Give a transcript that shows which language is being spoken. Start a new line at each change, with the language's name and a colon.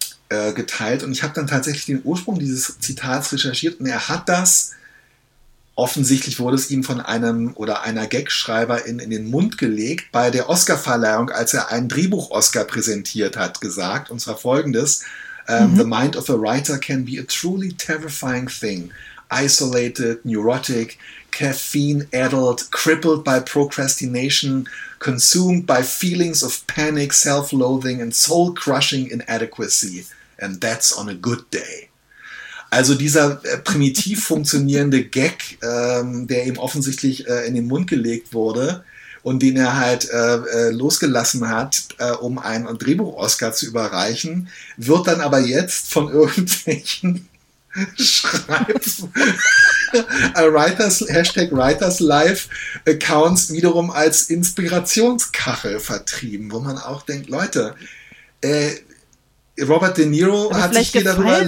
German: geteilt und ich habe dann tatsächlich den Ursprung dieses Zitats recherchiert und er hat das, offensichtlich wurde es ihm von einem oder einer Gagschreiberin in den Mund gelegt, bei der Oscar-Verleihung, als er einen Drehbuch-Oscar präsentiert hat, gesagt, und zwar folgendes:
English: The mind of a writer can be a truly terrifying thing. Isolated, neurotic, caffeine-addled, crippled by procrastination, consumed by feelings of panic, self-loathing and soul-crushing inadequacy. And that's on a good day.
German: Also dieser primitiv funktionierende Gag, der ihm offensichtlich in den Mund gelegt wurde und den er halt losgelassen hat, um einen Drehbuch-Oscar zu überreichen, wird dann aber jetzt von irgendwelchen Hashtag Writers Life Accounts wiederum als Inspirationskachel vertrieben, wo man auch denkt, Leute, Robert De Niro aber hat sich hier darüber...